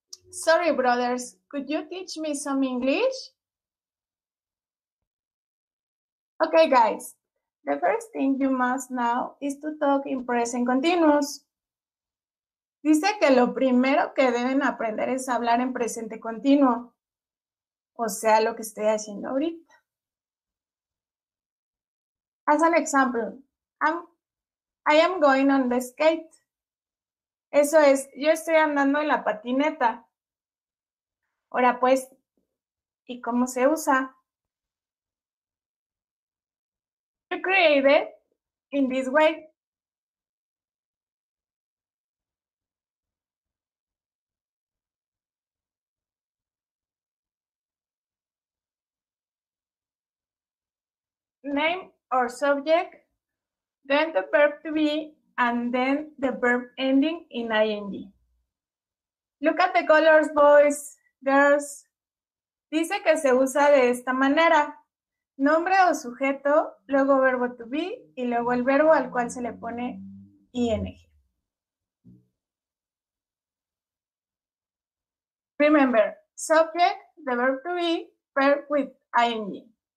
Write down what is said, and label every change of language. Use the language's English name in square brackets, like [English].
[English] Sorry, brothers, could you teach me some English? Okay, guys. The first thing you must know is to talk in present continuous. [Spanish] Dice que lo primero que deben aprender es hablar en presente continuo. O sea, lo que estoy haciendo ahorita. [English] As an example, I am going on the skate. [Spanish] Eso es, yo estoy andando en la patineta. Ahora pues, ¿y cómo se usa? [English] You create it in this way. Name or subject, then the verb to be, and then the verb ending in ing. Look at the colors, boys, girls. [Spanish] Dice que se usa de esta manera. Nombre o sujeto, luego verbo to be, y luego el verbo al cual se le pone ing. [English] Remember, subject, the verb to be, verb with ing.